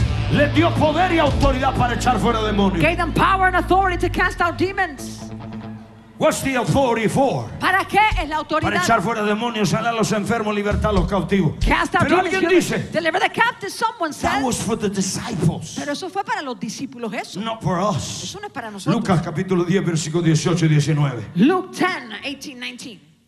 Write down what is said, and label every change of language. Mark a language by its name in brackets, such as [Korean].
[Spanish] Le dio poder y autoridad para echar fuera demonios. [English] Gave them power and authority to cast out demons. What's the authority for? [Spanish] ¿Para qué es la autoridad? Para echar fuera demonios, sanar a los enfermos, libertar a los cautivos. [English] Cast out [Spanish] pero [English] demons, [Spanish] alguien dice, [English] deliver the captives, someone said. That was for the disciples. [Spanish] Pero eso fue para los discípulos, eso. [English] Not for us. [Spanish] Eso no es para nosotros. Lucas capítulo 10, versículo 18 y 19. [English] Luke 10, 18, 19.